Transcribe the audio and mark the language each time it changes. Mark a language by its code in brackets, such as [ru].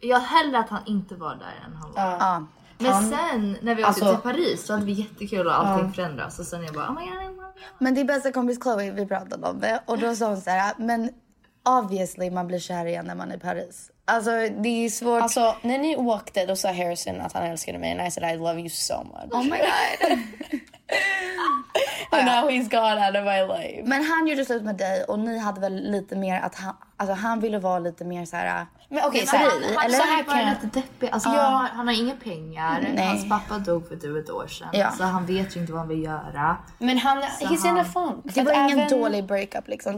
[sv] Jag hellre att han inte var där än han var. Men sen, när vi åkte till Paris, så hade vi jättekul och allting förändras. Och sen jag bara, [en] oh my god. [sv] Men din bästa kompis Chloe, vi pratade om det. Och då sa hon så här, men obviously man blir kär igen när man är i Paris. Alltså det är svårt. Alltså när ni åkte då sa Harrison att han älskade mig. [en] And I said I love you so much. Oh my god. And now he's gone out of my life. [sv] Men han gjorde slut med dig. Och ni hade väl lite mer att han, alltså han ville vara lite mer såhär. Men okej, okay, så han var lite deppig. Alltså han har inga pengar. Nej. Hans pappa dog för ett år sedan. Ja. Så han vet ju inte vad han vill göra. Men han, [en] he's in a funk. [sv] Det var ingen dålig breakup liksom.